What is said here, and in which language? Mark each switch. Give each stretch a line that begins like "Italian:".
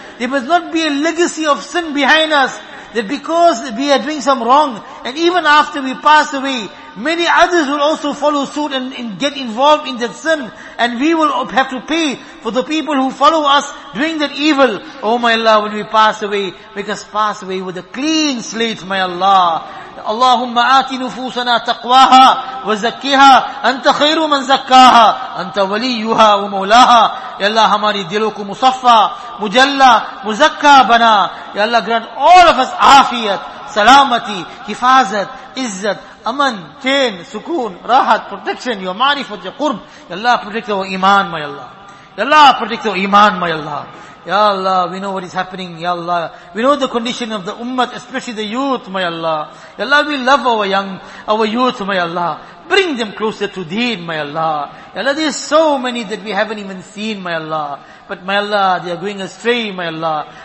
English: There must not be a legacy of sin behind us, that because we are doing some wrong and even after we pass away, many others will also follow suit and get involved in that sin, and we will have to pay for the people who follow us doing that evil. Oh my Allah, when we pass away, make us pass away with a clean slate, my Allah.
Arabic: اللهم آت نفوسنا تقواها وزكيها أنت خير من زكاها أنت وليها ومولاها يا الله
Urdu: ہماری دلوں کو مصفى مجلى مزكى بنا
Arabic: يا الله
English: grant all of us
Urdu: عافيت سلامتي حفاظت عزت امن چین سکون راحت
English: protection your
Arabic: معرفت your قرب يا الله
English: protect our
Arabic: ایمان
English: my Allah
Arabic: يا الله protect our ایمان my Allah
English: Ya Allah, we know what is happening, Ya Allah. We know the condition of the ummah, especially the youth, my Allah. Ya Allah, we love our youth, my Allah. Bring them closer to Deen, my Allah. Ya Allah, there's so many that we haven't even seen, my Allah. But my Allah, they are going astray, my Allah.